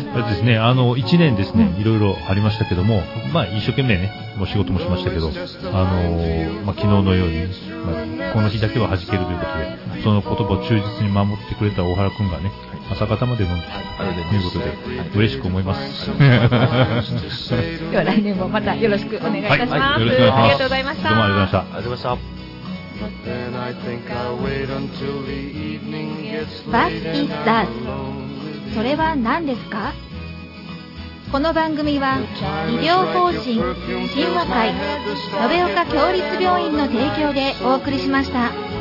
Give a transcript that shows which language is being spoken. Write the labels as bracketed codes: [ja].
[ja] そうですね、1年ですね、いろいろありましたけども、まあ、一生懸命ね、もう仕事もしましたけど、まあ、昨日のように、まあ、この日だけは弾けるということで、その言葉を忠実に守ってくれた大原くんがね、朝方まで飲んでということで、嬉しく思います。では来年もまたよろしくお願いいたします。はい、よろしくお願いします。ありがとうございました。どうもありがとうございました。ありがとうございました。 [en] Then I think I'll wait until the evening gets late and I'm alone. [ja] それは何ですか？この番組は医療法人親和会延岡協立病院の提供でお送りしました。